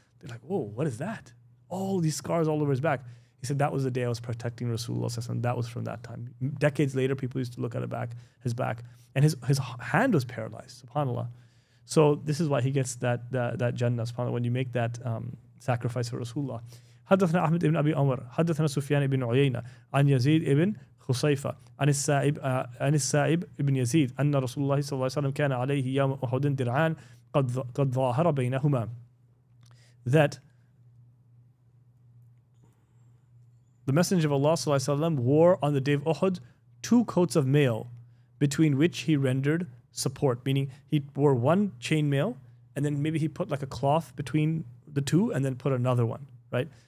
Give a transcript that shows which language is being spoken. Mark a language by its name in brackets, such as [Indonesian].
[English] They're like, "Whoa, what is that? All these scars all over his back." He said, "That was the day I was protecting Rasulullah." That was from that time. Decades later, people used to look at his back, and his hand was paralyzed. SubhanAllah. So this is why he gets that Jannah, SubhanAllah, when you make that sacrifice for Rasulullah. [Arabic] حدثنا أحمد بن أبي عمر حدثنا سفيان بن عيينة عن يزيد بن خصيفة عن السائب بن يزيد أن رسول الله صلى الله عليه وسلم كان عليه يوم أحد درعان قد ظاهر بينهما. [English] That the Messenger of Allah sallallahu alaihi wasallam wore on the day of Uhud two coats of mail between which he rendered support, meaning he wore one chain mail and then maybe he put like a cloth between the two and then put another one, right?